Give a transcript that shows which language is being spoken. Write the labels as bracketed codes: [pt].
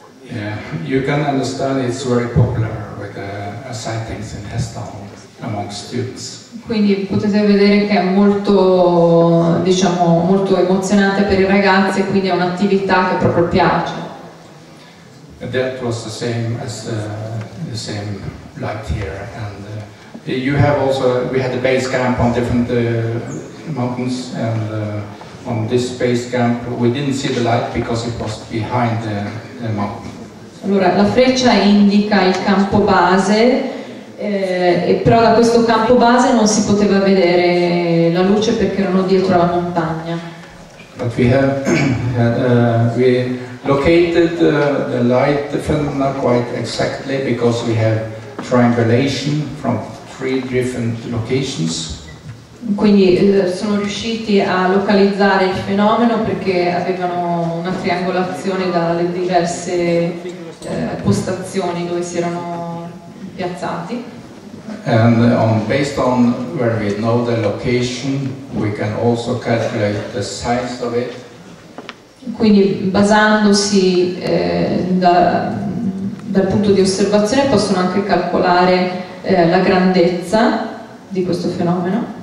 [en] Yeah, you can understand it's very popular with sightings in Heston among students. [it] Quindi potete vedere che è molto, diciamo, molto emozionante per i ragazzi, e quindi è un'attività che proprio piace. [en] And that was the same as the same light here, and we had a base camp on different mountains and on this space camp we didn't see the light because it was behind the mountain. [it] Allora, la freccia indica il campo base, però da questo campo base non si poteva vedere la luce perché erano dietro la montagna. [en] But we have we located the light phenomena quite exactly because we have triangulation from three different locations. [it] Quindi sono riusciti a localizzare il fenomeno perché avevano una triangolazione dalle diverse postazioni dove si erano piazzati. [en] And on, based on where we know the location, we can also calculate the size of it. [it] Quindi basandosi dal punto di osservazione possono anche calcolare la grandezza di questo fenomeno.